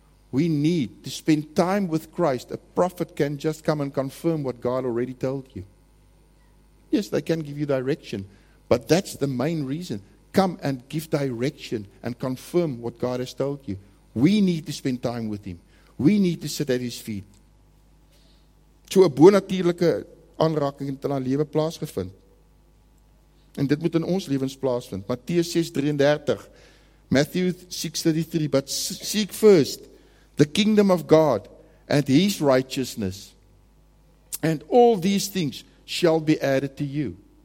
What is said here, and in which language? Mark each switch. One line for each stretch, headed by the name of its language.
English: We need to spend time with Christ. A prophet can just come and confirm what God already told you. Yes, they can give you direction, but that's the main reason. Come and give direction and confirm what God has told you. We need to spend time with him. We need to sit at his feet.
Afrikaans: So 'n bonatuurlike aanraking het in haar lewe plaasgevind. En dit moet in ons lewens plaasvind.
English: Matteus 6:33, Matthew 6:33, but seek first the kingdom of God and his righteousness, and all these things shall be added to you.